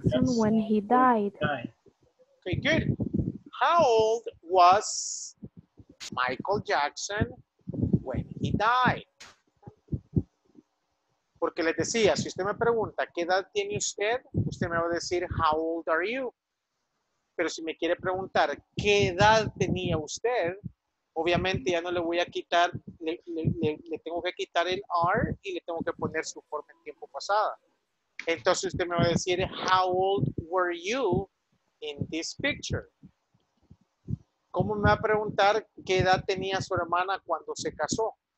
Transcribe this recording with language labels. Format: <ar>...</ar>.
<en>How old was Michael Jackson when he died? Okay, good. How old was Michael Jackson when he died?</en> <es>Porque les decía, si usted me pregunta, ¿qué edad tiene usted? Usted me va a decir,</es> <en>how old are you?</en> <es>Pero si me quiere preguntar, ¿qué edad tenía usted? Obviamente ya no le voy a quitar, le tengo que quitar el are y le tengo que poner su forma en tiempo pasada. Entonces usted me va a decir,</es> <en>how old were you in this picture?</en> <es>¿Cómo me va a preguntar qué edad tenía su hermana cuando se casó?</es>